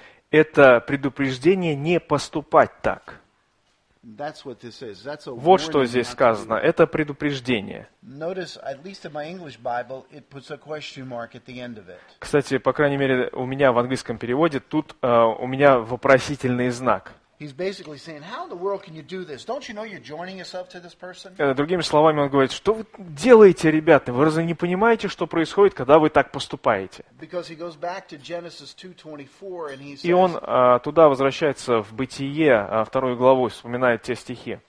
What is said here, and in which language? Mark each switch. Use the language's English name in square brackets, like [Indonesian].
[Russian] Это предупреждение не поступать так. [English] That's what this is. That's a warning. [Russian] Вот что здесь сказано. Это предупреждение. [English] Notice, at least in my English Bible, it puts a question mark at the end of it. [Russian] Кстати, по крайней мере, у меня в английском переводе тут у меня вопросительный знак. [English] He's basically saying, how in the world can you do this? Don't you know you're joining yourself to this person? [Russian] Другими словами, он говорит, что вы делаете, ребята? Вы разве не понимаете, что происходит, когда вы так поступаете? [English] Because he goes back to Genesis 2:24 and he says, [Russian] и он туда возвращается в Бытие, вторую главу, вспоминает те стихи.